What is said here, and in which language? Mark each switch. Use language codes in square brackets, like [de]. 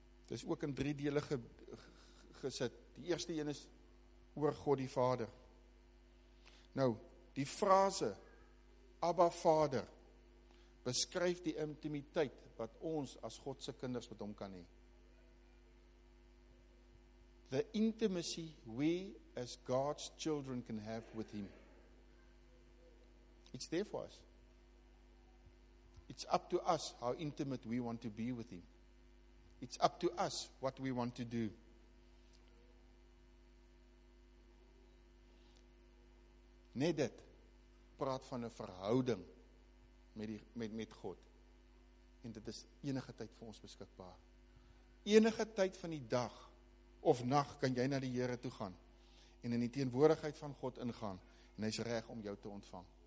[af] Dit is ook in drie dele gesit. Die eerste een is oor God die Vader. Nou, die frase Abba Vader beskryf die intimiteit wat ons as God se kinders met hom kan hê. [en] The intimacy we as God's children can have with him. It's there for us. It's up to us how intimate we want to be with Him. It's up to us what we want to do. [af] Net dit praat van 'n verhouding met God. En dit is enige tyd vir ons beskikbaar. Enige tyd van die dag of nag kan jy na die Here toe gaan en in die teenwoordigheid van God ingaan en hy is reg om jou te ontvang.